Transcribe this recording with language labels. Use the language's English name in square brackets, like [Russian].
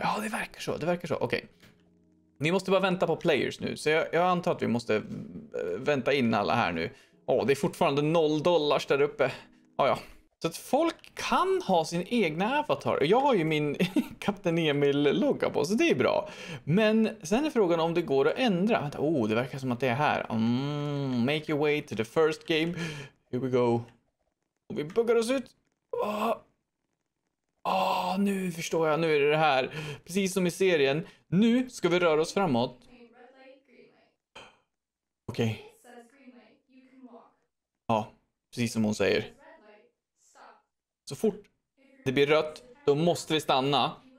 [Swedish] Ja, det verkar så, det verkar så. Okej. Vi måste bara vänta på players nu, så jag antar att vi måste vänta in alla här nu. Ja, det är fortfarande $0 där uppe. Ja. Så att folk kan ha sin egna avatar. Jag har ju min Kapten Emil-logga på, så det är bra. Men sen är frågan om det går att ändra. Vänta, oh, det verkar som att det är här. [English] Make your way to the first game. Here we go. [Swedish] Och vi buggar oss ut. Nu förstår jag. Nu är det här. Precis som i serien. Nu ska vi röra oss framåt. Okej. Okay. Ja, precis som hon säger. Så fort det blir rött, då måste vi stanna.